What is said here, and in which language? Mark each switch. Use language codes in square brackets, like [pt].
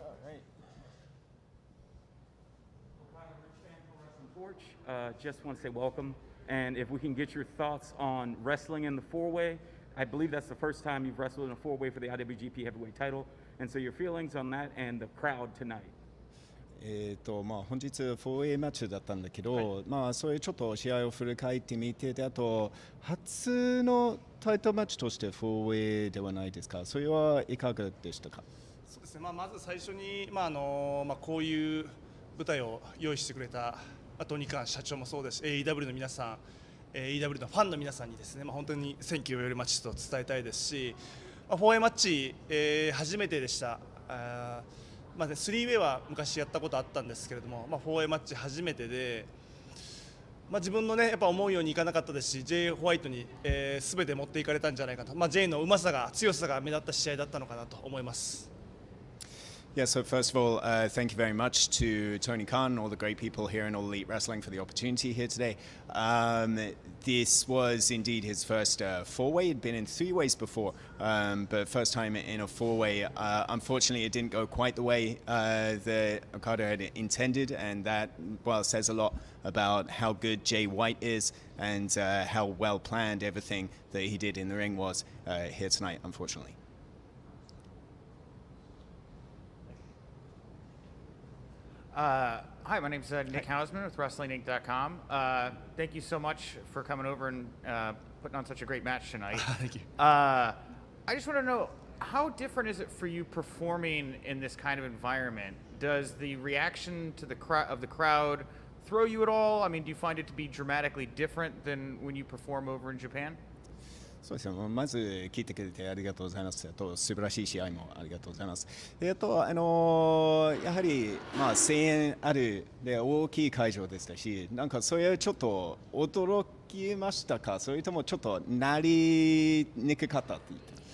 [en] All right. Just want to say welcome. And if we can get your thoughts on wrestling in the four-way, I believe that's the first time you've wrestled in a four-way for the IWGP Heavyweight title. And so your feelings on that and the crowd tonight. [ja] まあ、本日 4A マッチだったんだけど、はい、まあ、そういうちょっと試合を振り返ってみて、であと初のタイトルマッチとして 4A ではないですか、それはいかがでしたか。そうですね、まあ、まず最初に、まあまあ、こういう舞台を用意してくれたあとに関社長もそうですし、 AEW の皆さん、 AEW のファンの皆さんにですね、まあ、本当にセンキューよりマッチと伝えたいですし、まあ、4A マッチ、初めてでした。まあね、3ウェイは昔やったことあったんですけれども、まあ、4ウェイマッチ初めてで、まあ、自分の、ね、やっぱ思うようにいかなかったですし、ジェイ・ホワイトに、全て持っていかれたんじゃないかと、まあ、ジェイのうまさが、強さが目立った試合だったのかなと思います。 [en] Yeah, so first of all, thank you very much to Tony Khan and all the great people here in All Elite Wrestling for the opportunity here today. This was indeed his first four-way. He'd been in three ways before, but first time in a four-way. Unfortunately, it didn't go quite the way that Okada had intended, and that, well, says a lot about how good Jay White is and how well-planned everything that he did in the ring was here tonight, unfortunately. Hi, my name is Nick Hausman with WrestlingInc.com. Thank you so much for coming over and putting on such a great match tonight. Thank you. I just want to know, how different is it for you performing in this kind of environment? Does the reaction to the crowd throw you at all? I mean, do you find it to be dramatically different than when you perform over in Japan? [ja] そうですね、まず聞いてくれてありがとうございます。あと素晴らしい試合もありがとうございます。であとやはり、まあ、声援あるで大きい会場でしたし、なんかそれはちょっと驚きましたか、それともちょっとなりにくかったって言って、